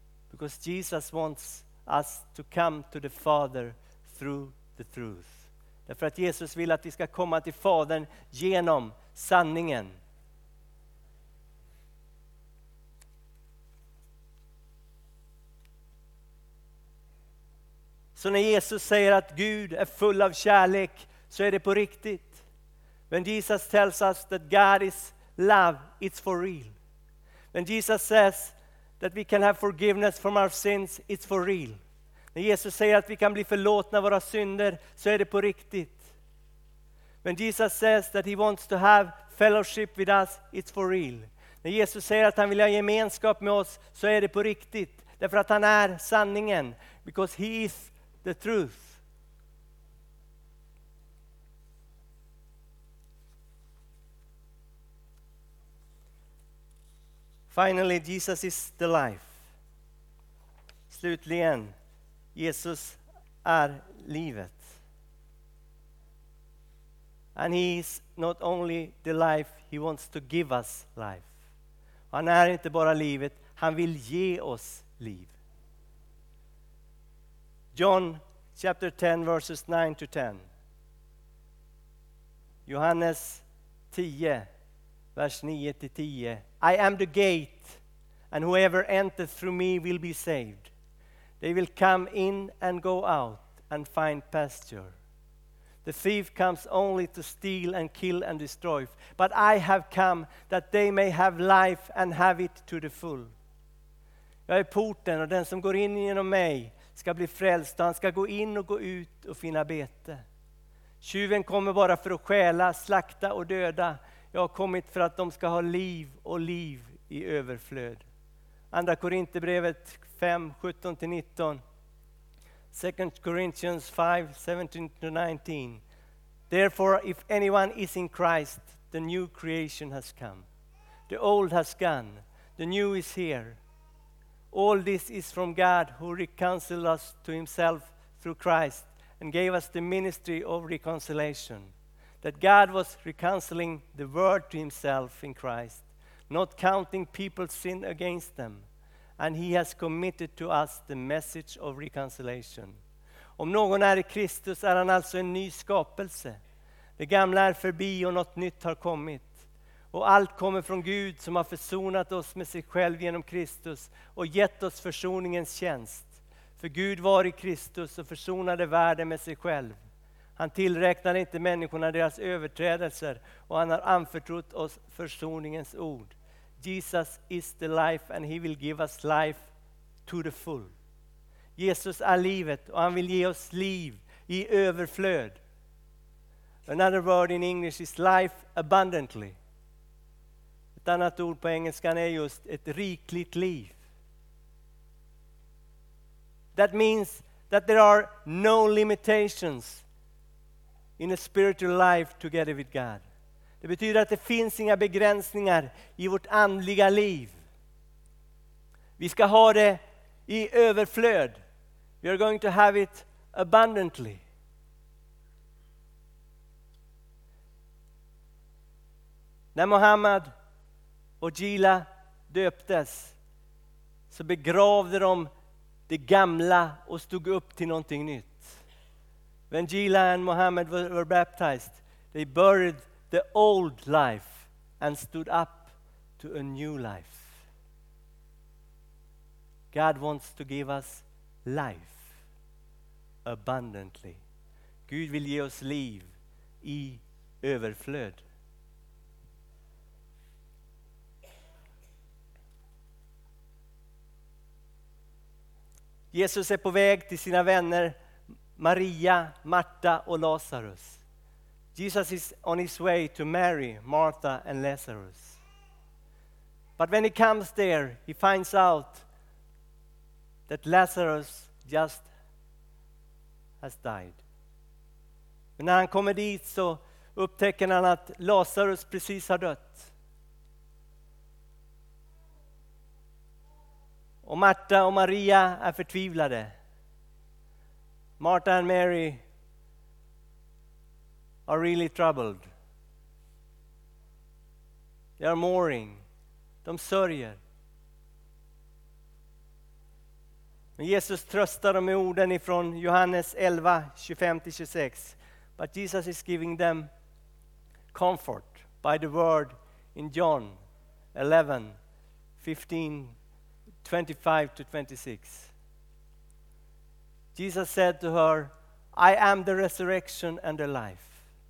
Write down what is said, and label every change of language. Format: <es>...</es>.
<en>Because Jesus wants us to come to the Father through the truth.</en> <sv>Därför att Jesus vill att vi ska komma till Fadern genom sanningen. Så när Jesus säger att Gud är full av kärlek så är det på riktigt.</sv> <en>When Jesus tells us that God is love, it's for real. When Jesus says that we can have forgiveness from our sins, it's for real.</en> <sv>När Jesus säger att vi kan bli förlåtna våra synder så är det på riktigt.</sv> <en>When Jesus says that he wants to have fellowship with us, it's for real.</en> <sv>När Jesus säger att han vill ha gemenskap med oss så är det på riktigt. Därför att han är sanningen.</sv> <en>Because he is the truth. Finally, Jesus is the life.</en> <sv>Slutligen, Jesus är livet.</sv> <en>And he is not only the life, he wants to give us life.</en> <sv>Han är inte bara livet, han vill ge oss liv.</sv> <en>John chapter 10 verses 9 to 10.</en> <sv>Johannes 10 vers 9 till 10.</sv> <en>I am the gate and whoever enters through me will be saved. They will come in and go out and find pasture. The thief comes only to steal and kill and destroy. But I have come that they may have life and have it to the full.</en> <sv>Jag är porten och den som går in genom mig ska bli frälst. Han ska gå in och gå ut och finna bete. Tjuven kommer bara för att stjäla, slakta och döda. Jag har kommit för att de ska ha liv och liv i överflöd. Andra Korinthierbrevet 5, 17-19.</sv> <en>2 Corinthians 5, 17-19. Therefore, if anyone is in Christ, the new creation has come. The old has gone. The new is here. All this is from God who reconciled us to himself through Christ and gave us the ministry of reconciliation. That God was reconciling the world to himself in Christ, not counting people's sin against them. And he has committed to us the message of reconciliation.</en> <sv>Om någon är i Kristus är han alltså en ny skapelse. Det gamla är förbi och något nytt har kommit. Och allt kommer från Gud som har försonat oss med sig själv genom Kristus och gett oss försoningens tjänst. För Gud var i Kristus och försonade världen med sig själv. Han tillräknade inte människorna deras överträdelser och han har anförtrott oss försoningens ord.</sv> <en>Jesus is the life and he will give us life to the full.</en> <sv>Jesus är livet och han vill ge oss liv i överflöd.</sv> <en>Another word in English is life abundantly.</en> <sv>annat ord på engelskan är just ett rikligt liv.</sv> <en>That means that there are no limitations in a spiritual life together with God.</en> <sv>Det betyder att det finns inga begränsningar i vårt andliga liv. Vi ska ha det i överflöd.</sv> <en>We are going to have it abundantly.</en> <sv>När Mohammed och Gila döptes så begravde de det gamla och stod upp till någonting nytt.</sv> <en>When Gila and Mohammed were baptized, they buried the old life and stood up to a new life. God wants to give us life abundantly.</en> <sv>Gud vill ge oss liv i överflöd. Jesus är på väg till sina vänner Maria, Marta och Lazarus.</sv> <en>Jesus is on his way to Mary, Martha and Lazarus. But when he comes there, he finds out that Lazarus just has died.</en> <sv>Men när han kommer dit så upptäcker han att Lazarus precis har dött. Och Marta och Maria är förtvivlade.</sv> <en>Martha and Mary are really troubled. They are mourning.</en> <sv>De sörjer. Men Jesus tröstar dem med orden ifrån Johannes 11, 25-26.</sv> <en>But Jesus is giving them comfort by the word in John 11, 15 25 to 26. Jesus said to her, I am the resurrection and the life.</en>